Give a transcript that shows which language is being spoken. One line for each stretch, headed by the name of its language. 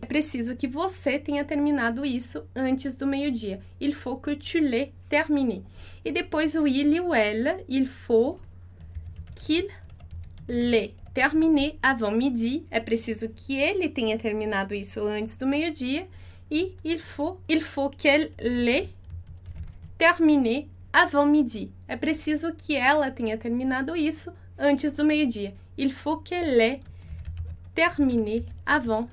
Portuguese: É preciso que você tenha terminado isso antes do meio-dia.
French: Il faut que tu l'aies terminé.
Portuguese: E depois o
French: il ou elle, il faut qu'il l'ait terminé avant midi.
Portuguese: É preciso que ele tenha terminado isso antes do meio-dia.
French: E il faut qu'elle l'ait terminé avant midi.
Portuguese: É preciso que ela tenha terminado isso antes do meio-dia.
French: Il faut qu'elle ait terminé avant.